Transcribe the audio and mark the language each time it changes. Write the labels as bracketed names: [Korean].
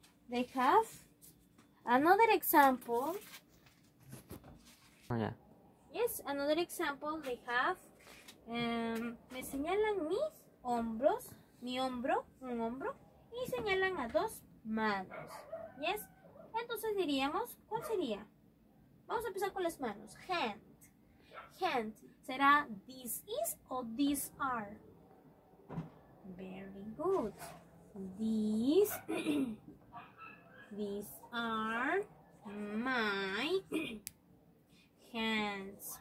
[English] They have another example. Oh, yeah. Yes, another example. They have me [Spanish] señalan mis hombros, mi hombro, un hombro, y señalan a dos manos. [English] Yes. [Spanish] Entonces diríamos, ¿cuál sería? Vamos a empezar con las manos. [English] Hand. Hand, será this is o these are. Very good. These, these are my hands.